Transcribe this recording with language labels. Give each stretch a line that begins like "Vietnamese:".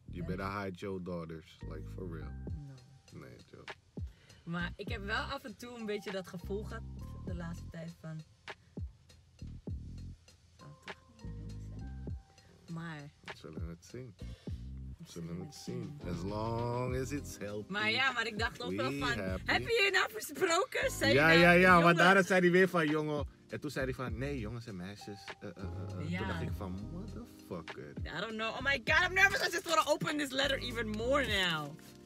English: You better hide your daughters, like for real. No.
Dutch: Nee, joh. Maar ik heb wel af en toe een beetje dat gevoel gehad de laatste tijd van... Maar... We zullen het zien. We zullen het zien.
English: As long as it's healthy.
Dutch: Maar ja, maar ik dacht ook wel van... Happy. Heb je nou versproken? Zei ja, nou, ja, ja, ja. Want daarna zei hij weer van, jongen... En toen zei hij van, nee, jongens en meisjes. Ja. Toen dacht ik van, motherfucker.
English: I don't know. Oh my god, I'm nervous. I just want to open this letter even more now.